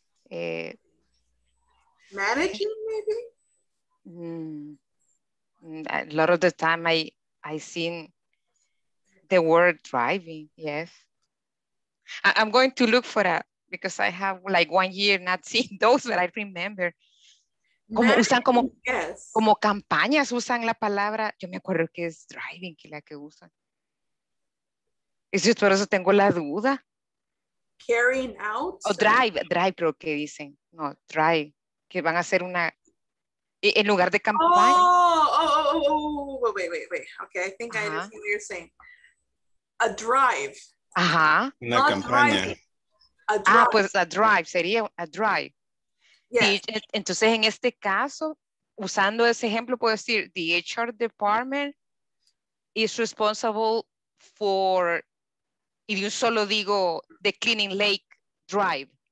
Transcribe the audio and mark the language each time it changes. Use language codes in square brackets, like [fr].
[en] Managing maybe? A lot of the time I seen the word driving, yes. I'm going to look for that because I have like 1 year not seeing those, but I remember. [es] Como usan como, [en] yes. [es] Como campañas usan la palabra. Yo me acuerdo que es driving que la que usan. Es just por eso tengo la duda. [en] Carrying out. [es] O drive creo que dicen. No, drive. Que van a hacer una, en lugar de campaña. [en] Oh, wait. Okay, I think I understand what you're saying. A drive. [es] Ajá. Una campaña. Ah, pues [en] a drive, [es] sería a drive. [en] Yes. [es] Entonces, en este caso, usando ese ejemplo, puedo decir, [en] the HR department is responsible for, [es] y yo solo digo, [en] the cleaning lake drive.